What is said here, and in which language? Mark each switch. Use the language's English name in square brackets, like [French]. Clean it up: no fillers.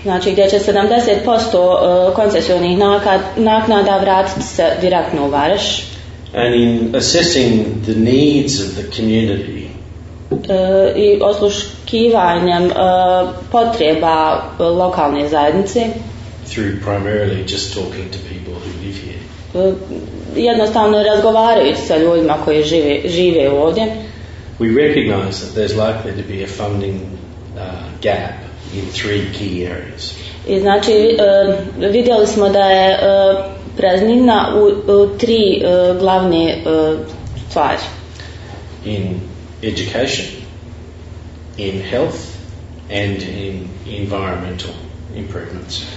[Bosnian] Znači, gdje će 70% koncesionih naknada vratiti se direktno u Varaš. [English] And in assessing the needs of the community, [Bosnian] i osluškivanjem potreba lokalne zajednice, [English] through primarily just talking to people who live here, [Bosnian] jednostavno razgovarajući sa ljudima koji žive ovdje, [English] we recognize that there's likely to be a funding gap in three key areas. [Bosnian] I znači, vidjeli smo da je praznina u tri glavne stvari. [English] In education, in health, and in environmental improvements.